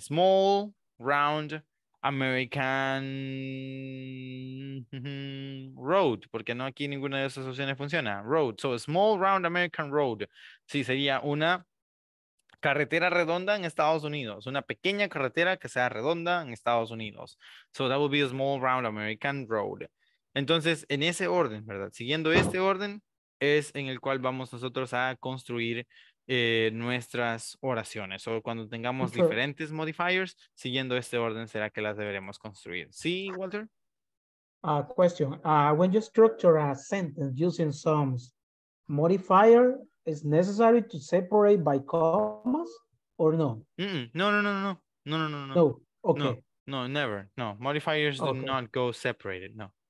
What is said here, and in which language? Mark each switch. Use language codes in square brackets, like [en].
[en] Small round American road, [es] porque no aquí ninguna de esas opciones funciona. Road. [en] So a small round American road. [es] Sí, sería una carretera redonda en Estados Unidos, una pequeña carretera que sea redonda en Estados Unidos. [en] So that would be a small round American road. [es] Entonces, en ese orden, ¿verdad? Siguiendo este orden es en el cual vamos nosotros a construir nuestras oraciones. O cuando tengamos diferentes modifiers, siguiendo este orden será que las deberemos construir. ¿Sí, Walter? [en] Question. When you structure a sentence using some modifier, is necessary to separate by commas or no? No. Okay. No, never. No, modifiers do not go separated. No.